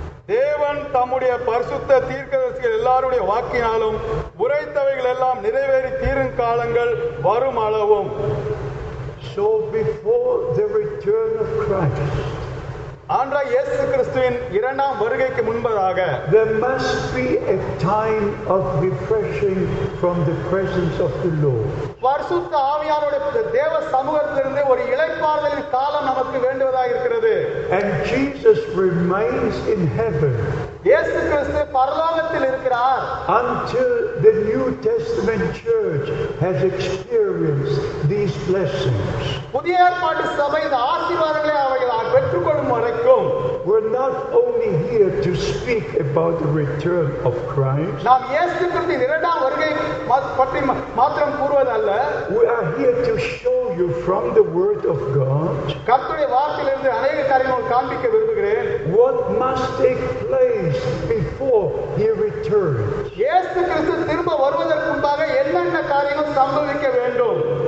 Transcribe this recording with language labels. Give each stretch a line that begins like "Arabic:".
Tamil: தேவன் தம்முடைய பரிசுத்த தீர்க்கதரிசிகள் எல்லாருடைய வாக்கினாலும் உரைத்தவைகள் எல்லாம் நிறைவேறி தீரும் காலங்கள் வரும் அளவும்.
English: So before the return of Christ,
Tamil: ஆண்ட இயேசு கிறிஸ்துவின் இரண்டாம் வருகைக்கு முன்பதாக,
English: there must be a time of refreshing from the presence of the Lord.
Tamil: பரிசுத்த ஆவியானவருடைய தேவ சமூகத்திலிருந்து ஒரு இளைப்பாறுதலின் காலம் நமக்கு வேண்டுவதாக இருக்கிறது.
English: And Jesus remains in heaven.
Tamil: இயேசு கிறிஸ்து பரலோகத்தில் இருக்கிறார்.
English: Until the New Testament church has experienced these blessings.
Tamil: புதிய ஏற்பாட்டு சபை இந்த ஆசீர்வாதங்களை அவைகள் பெற்றுக்கொள்ளும் வரைக்கும்,
English: we're not only here. here to speak about the return of Christ.
Tamil: நாம் இயேசு கிறிஸ்துவின் இரண்டாம் வருகை பற்றி மாத்திரம் கூறுவதல்ல.
English: We are here to show you from the word of God.
Tamil: கர்த்தருடைய வார்த்தையிலிருந்து அநேக காரியங்களை காண்பிக்க விரும்புகிறேன்.
English: What must take place before he returns?
Tamil: இயேசு கிறிஸ்து திரும்ப வருவதற்கு முன்பாக என்னென்ன காரியங்கள் சம்பவிக்க வேண்டும்?